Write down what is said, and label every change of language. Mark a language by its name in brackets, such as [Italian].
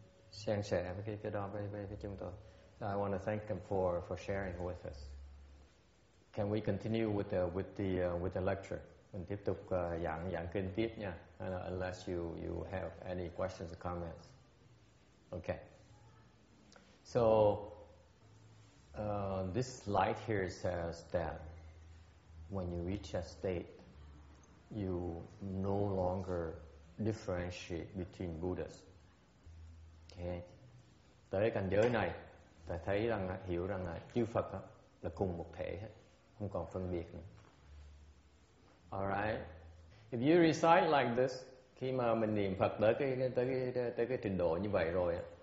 [Vietnamese] sang sẻ cái đó với chúng tôi. [English] I want to thank them for sharing with us. Can we continue with the lecture? [Vietnamese] Mình tiếp tục giảng kinh tiếp nha. [English] Unless you have any questions or comments. Okay. So this slide here says that when you reach a state, you no longer differentiate between Buddhas. Okay. [Vietnamese] Tới cảnh giới này ta thấy rằng hiểu rằng là chư Phật là cùng một thể hết, không còn phân biệt nữa. [English] All right. If you recite like this, [Vietnamese] khi mà mình niệm Phật tới cái trình độ như vậy rồi,